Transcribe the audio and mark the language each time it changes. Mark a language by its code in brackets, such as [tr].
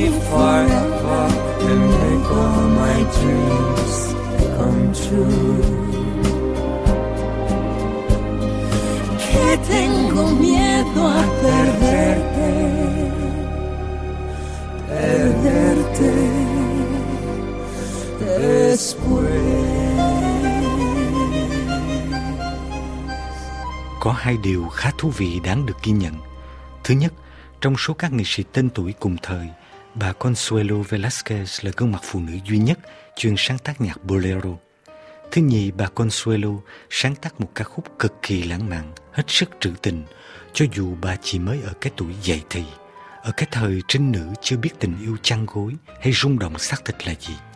[en] forever and make all my dreams come true. [es] Que tengo miedo a perderte, perderte después. [vi] Có hai điều khá thú vị đáng được ghi nhận. Thứ nhất, trong số các nghệ sĩ tên tuổi cùng thời, bà Consuelo Velázquez là gương mặt phụ nữ duy nhất chuyên sáng tác nhạc bolero. Thứ nhì, bà Consuelo sáng tác một ca khúc cực kỳ lãng mạn, hết sức trữ tình, cho dù bà chỉ mới ở cái tuổi dậy thì, ở cái thời trinh nữ chưa biết tình yêu chăn gối hay rung động xác thịt là gì.